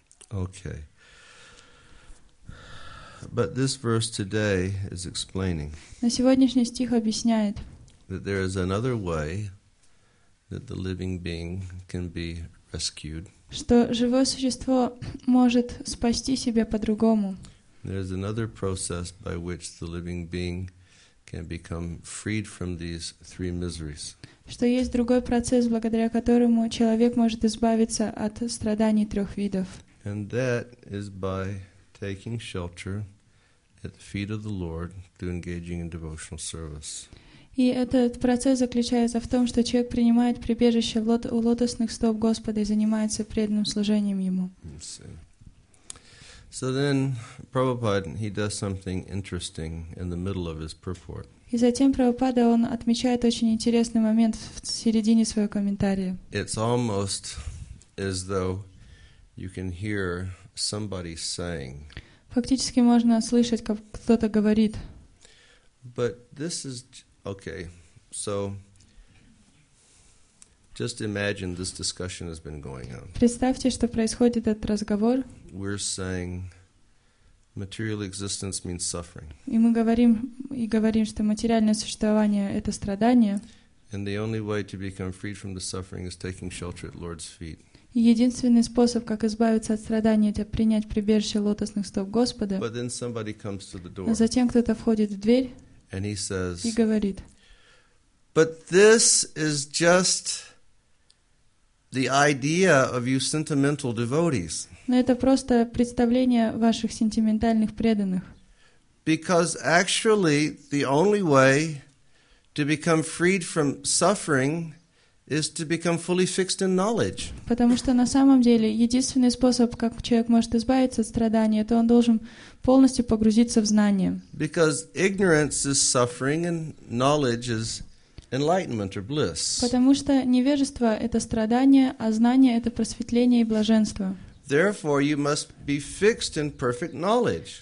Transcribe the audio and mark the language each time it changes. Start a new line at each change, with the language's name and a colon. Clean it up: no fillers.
English: Okay. But this verse today is explaining.
Russian: Но сегодняшний стих объясняет.
English: That there is another way. That the living being can be rescued.
Russian: Что живое существо может спасти себя по-другому.
English: There is another process by which the living being can become freed from these three miseries.
Russian: Что есть другой процесс, благодаря которому человек может избавиться от страданий трех видов.
English: And that is by taking shelter at the feet of the Lord through engaging in devotional service.
Russian: И этот процесс заключается в том, что человек принимает прибежище у лотосных стоп Господа и занимается преданным служением Ему.
English: So then, Prabhupada, he does something interesting in the middle of his purport.
Russian: И затем Прабхупада, он отмечает очень интересный момент в середине своего комментария.
English: It's almost as though you can hear somebody saying.
Russian: Фактически можно слышать, как кто-то говорит.
English: But this is... Okay, so just imagine this discussion has been going on.
Russian: Представьте, что происходит этот разговор.
English: We're saying material existence means suffering.
Russian: И мы говорим, что материальное существование — это страдание.
English: And the only way to become freed from the suffering is taking shelter at Lord's feet.
Russian: Единственный способ, как избавиться от страданий, это принять прибежище лотосных стоп Господа.
English: But then somebody comes to the door.
Russian: Но затем кто-то входит в дверь.
English: And he says,
Russian: и говорит,
English: but this is just the idea of you sentimental devotees.
Russian: Но это просто представление ваших сентиментальных преданных.
English: Because actually the only way to become freed from suffering is to become fully fixed in knowledge.
Russian: Потому что на самом деле единственный способ, как человек может избавиться от страдания, то он должен полностью погрузиться в знание.
English: Because ignorance is suffering and knowledge is enlightenment or bliss.
Russian: Потому что невежество — это страдание, а знание — это просветление и блаженство.
English: Therefore, you must be fixed in perfect knowledge.